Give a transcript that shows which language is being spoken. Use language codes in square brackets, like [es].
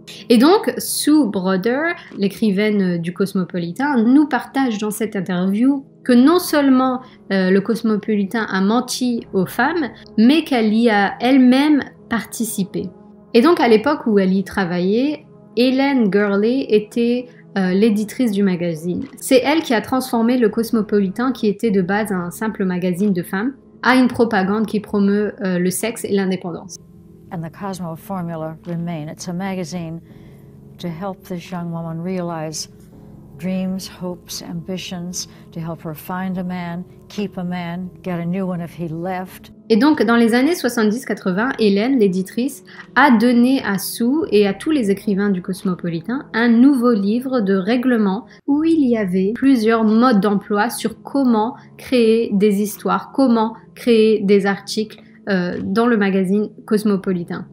[fr] Et donc, Sue Broder, l'écrivaine du Cosmopolitan, nous partage dans cette interview que non seulement le Cosmopolitan a menti aux femmes, mais qu'elle y a elle-même participé. Et donc, à l'époque où elle y travaillait, Hélène Gurley était l'éditrice du magazine. C'est elle qui a transformé le Cosmopolitan, qui était de base un simple magazine de femmes, à une propagande qui promeut le sexe et l'indépendance. [en] And the Cosmo formula remain. It's a magazine to help this young woman realize dreams, hopes, ambitions, to help her find a man, keep a man, get a new one if he left. [fr] Et donc, dans les années 70-80, Hélène, l'éditrice, a donné à Sue et à tous les écrivains du Cosmopolitan un nouveau livre de règlement où il y avait plusieurs modes d'emploi sur comment créer des histoires, comment créer des articles dans le magazine Cosmopolitan.